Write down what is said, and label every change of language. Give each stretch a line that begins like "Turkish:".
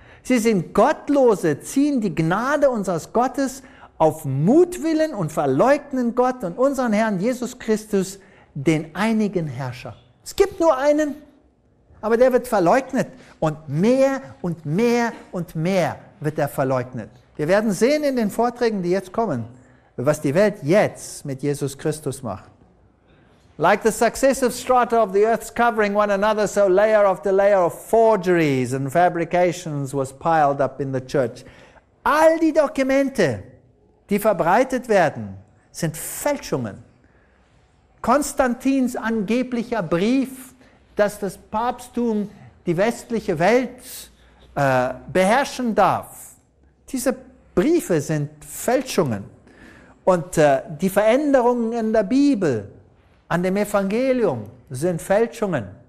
German: Sie sind Gottlose, ziehen die Gnade unseres Gottes auf Mutwillen und verleugnen Gott und unseren Herrn Jesus Christus, den einigen Herrscher. Es gibt nur einen, aber der wird verleugnet. Und mehr und mehr und mehr wird er verleugnet. Wir werden sehen in den Vorträgen, die jetzt kommen, was die Welt jetzt mit Jesus Christus macht.
English: Like the successive strata of the earth's covering one another, so layer after layer of forgeries and fabrications was piled up in the church.
German: All die Dokumente, die verbreitet werden, sind Fälschungen. Konstantins angeblicher Brief, dass das Papsttum die westliche Welt beherrschen darf. Diese Briefe sind Fälschungen. Und die Veränderungen in der Bibel, an dem Evangelium, sind Fälschungen.